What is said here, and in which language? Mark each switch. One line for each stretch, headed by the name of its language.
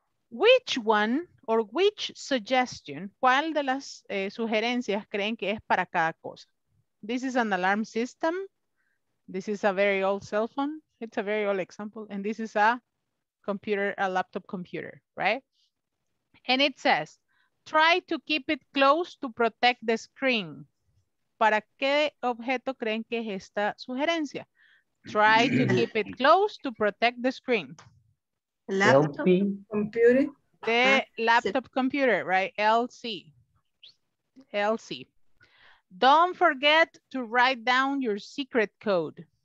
English: Which one or which suggestion,
Spanish: cuál de las sugerencias creen que es para cada cosa?
English: This is an alarm system. This is a very old cell phone. It's a very old example. And this is a computer, a laptop computer, right? And it says, try to keep it close to protect the screen.
Spanish: ¿Para qué objeto creen que es esta sugerencia?
English: Try to keep it close to protect the screen. Laptop computer. The laptop computer, right? LC. LC. Don't forget to write down your secret code.